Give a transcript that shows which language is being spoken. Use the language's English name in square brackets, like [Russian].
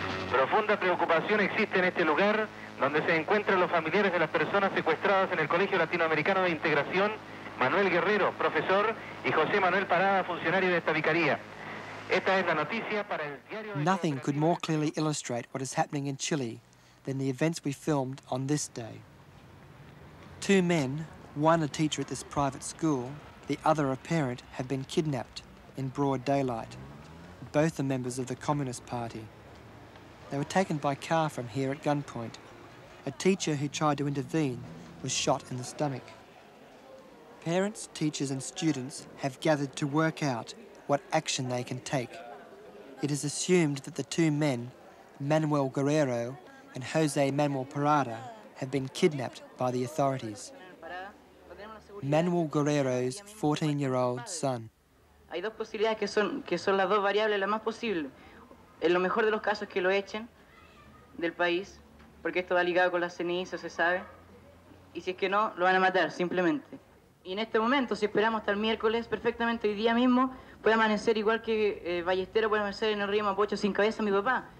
[Spanish] Profunda preocupación existe en este lugar, donde se encuentran los familiares de las personas secuestradas en el Colegio Latinoamericano de Integración, Manuel Guerrero, profesor, y José Manuel Parada, funcionario de esta vicaría. Esta es la noticia para el diario de... [English] Nothing could more clearly illustrate what is happening in Chile than the events we filmed on this day. Two men, one a teacher at this private school, the other a parent, have been kidnapped in broad daylight. Both are members of the Communist Party. They were taken by car from here at gunpoint. A teacher who tried to intervene was shot in the stomach. Parents, teachers and students have gathered to work out what action they can take. It is assumed that the two men, Manuel Guerrero and Jose Manuel Parada, have been kidnapped by the authorities. Manuel Guerrero's 14-year-old son. [Spanish] Hay dos posibilidades que son las dos variables las más posibles. En lo mejor de los casos que lo echen del país, porque esto va ligado con las cenizas, se sabe. Y si es que no, lo van a matar simplemente. Y en este momento, si esperamos hasta el miércoles, perfectamente hoy día mismo puede amanecer igual que Ballesteros puede amanecer en el río Mapocho sin cabeza mi papá.